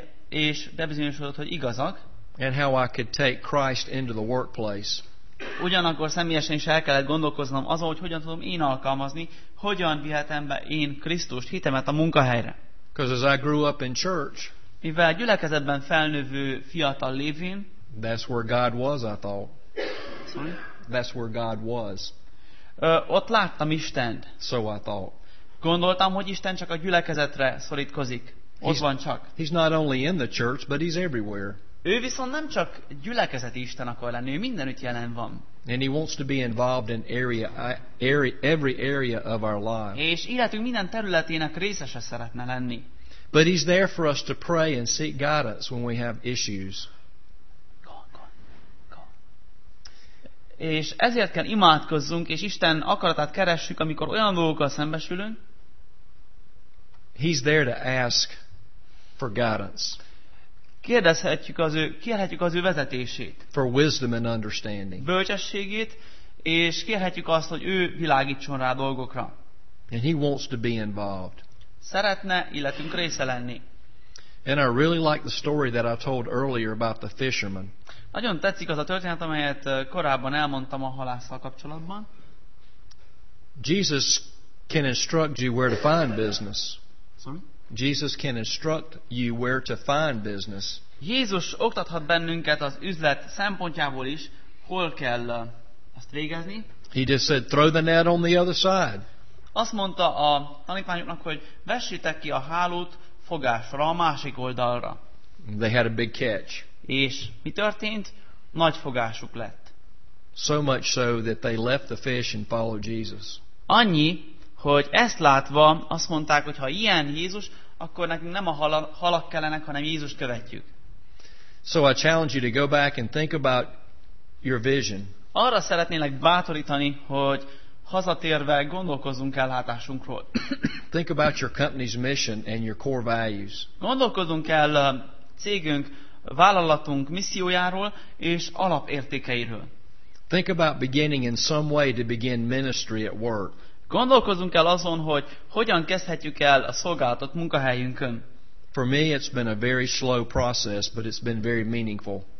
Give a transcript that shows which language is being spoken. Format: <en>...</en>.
<hu>És bebizonyosodott, hogy igazak.</hu> <en>And how I could take Christ into the workplace.</en> <hu>Ugyanakkor személyesen is el kellett gondolkoznom azon, hogy hogyan tudom én alkalmazni, hogyan vihetem be én Krisztust, hitemet a munkahelyre.</hu> <en>Because as I grew up in church.</en> <hu>Mivel gyülekezetben felnővő fiatal lévén.</hu> <en>That's where God was, I thought. Sorry? That's where God was.</en> <hu>Ott láttam Istent.</hu> <en>So I thought.</en> <hu>Gondoltam, hogy Isten csak a gyülekezetre szorítkozik. Ott van csak.</hu> <en>He's not only in the church, but he's everywhere.</en> <hu>Ő viszont nem csak gyülekezeti Isten akar lenni, ő mindenütt jelen van.</hu> <en>And he wants to be involved in every area of our life.</en> <hu>És életünk minden területének részese szeretne lenni.</hu> <en>But he's there for us to pray and seek guidance when we have issues.</en> <hu>És ezért kell imádkozzunk, és Isten akaratát keressük, amikor olyan dolgokkal szembesülünk.</hu> <en>He's there to ask for guidance.</en> <hu>Kérhetjük az ő vezetését.</hu> <en>For wisdom and understanding.</en> <hu>Bölcsességét, és kérhetjük azt, hogy ő világítson rá dolgokra.</hu> <en>And he wants to be involved.</en> <hu>Szeretne életünk része lenni.</hu> <en>And I really like the story that I told earlier about the fisherman.</en> <hu>Nagyon tetszik az a történet, amelyet korábban elmondtam a halásszal kapcsolatban.</hu> <en>Jesus can instruct you where to find business. Sorry? Jesus can instruct you where to find business.</en> <hu>Jézus oktathat bennünket az üzlet szempontjából is, hol kell azt végezni.</hu> <en>He just said, throw the net on the other side.</en> <hu>Azt mondta a tanítványoknak, hogy vessétek ki a hálót fogásra, a másik oldalra.</hu> <en>They had a big catch.</en> <hu>És mi történt? Nagy fogásuk lett.</hu> <en>So much so that they left the fish and followed Jesus.</en> <hu>Annyi, hogy ezt látva azt mondták, hogy ha ilyen Jézus, akkor nekünk nem a halak kellenek, hanem Jézus követjük.</hu> <en>So I challenge you to go back and think about your vision.</en> <hu>Arra szeretnélek bátorítani, hogy hazatérve gondolkozzunk el látásunkról.</hu> <en>Think about your company's mission and your core values.</en> <hu>Gondolkozzunk el cégünk, vállalatunk missziójáról és alapértékeiről.</hu> <en>Think about beginning in some way to begin ministry at work.</en> <hu>Gondolkozzunk el azon, hogy hogyan kezdhetjük el a szolgálatot munkahelyünkön.</hu> <en>For me it's been a very slow process, but it's been very meaningful.</en>